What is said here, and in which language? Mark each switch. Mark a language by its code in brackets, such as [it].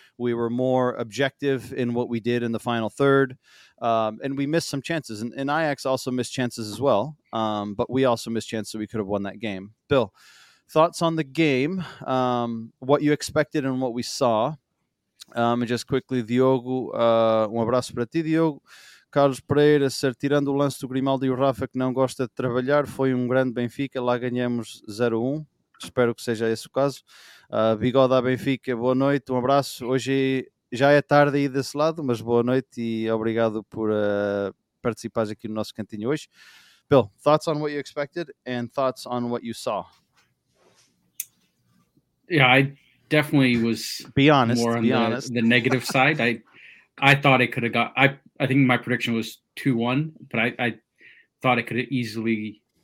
[en] We were more objective in what we did in the final third. And we missed some chances. And Ajax also missed chances as well. But we also missed chances. We could have won that game. Bill, thoughts on the game, what you expected and what we saw. And just quickly, [pt] Diogo, um abraço para ti, Diogo. Carlos Pereira, ser tirando o lance do Grimaldi e o Rafa, que não gosta de trabalhar, foi grande Benfica, lá ganhamos 0-1. Espero que seja esse o caso. Bigode à Benfica, boa noite, abraço. Hoje já é tarde aí desse lado, mas boa noite e obrigado por participares aqui no nosso cantinho hoje. [en] Bill, thoughts on what you expected and thoughts on what you saw? Yeah, I definitely was be honest, more on be the, honest. The negative side. I thought it could have got, I think my prediction was 2-1, but I thought it could have easily.